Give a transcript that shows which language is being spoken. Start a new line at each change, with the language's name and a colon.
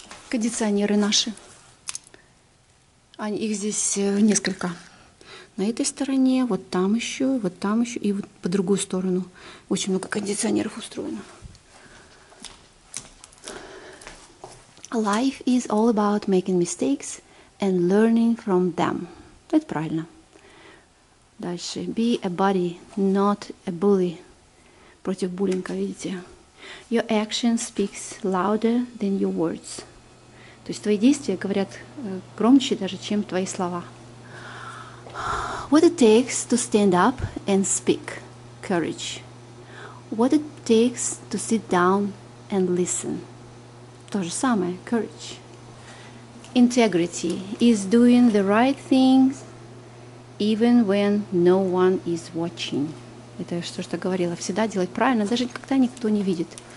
Russian: Кондиционеры наши. Их здесь несколько. На этой стороне, вот там еще, вот там еще и вот по другую сторону. Очень много кондиционеров устроено.
English: Life is all about making mistakes and learning from them.
Russian: Это правильно. Дальше.
English: Be a buddy, not a bully.
Russian: Против буллинга, видите?
English: Your action speaks louder than your words.
Russian: То есть твои действия говорят громче даже, чем твои слова.
English: What it takes to stand up and speak? Courage. What it takes to sit down and listen?
Russian: То же самое.
English: Courage. Integrity is doing the right things even when no one is watching.
Russian: Это что-то говорила. Всегда делать правильно, даже когда никто не видит.